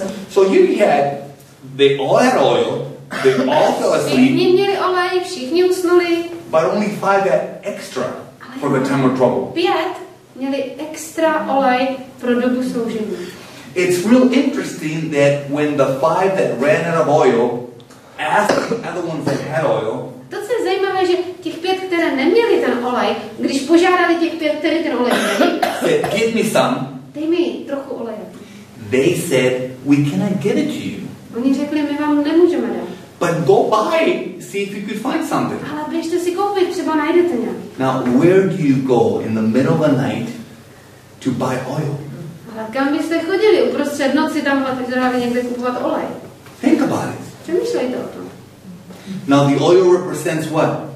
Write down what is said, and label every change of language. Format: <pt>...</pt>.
<en>So you had, they all had oil, they all fell asleep.</en> <cs>Všichni měli olej, všichni usnuli.</cs> <en>But only five had extra for the time of trouble.</en> <cs>Pět měli extra olej pro dobu soužení.</cs> <en>It's real interesting that when the five that ran out of oil asked the other ones that had oil.</en> <cs>To je zajímavé, že těch pět, které neměli ten olej, když požádali těch pět, které ten olej měli,</cs> <en>said, give me some.</en> <cs>Dej mi trochu oleje.</cs> <en>They said, we cannot give it to you.</en> <cs>Oni řekli, my vám nemůžeme dát.</cs> <en>But go buy, see if you could find something.</en> <cs>Ale běžte si koupit, třeba najdete nějak.</cs> <en>Now, where do you go in the middle of the night to buy oil?</en> <cs>Ale kam byste chodili uprostřed noci tam a tak zrovna někde kupovat olej?</cs> <en>Think about it.</en> <cs>Přemýšlejte o tom.</cs> <en>Now the oil represents what?</en>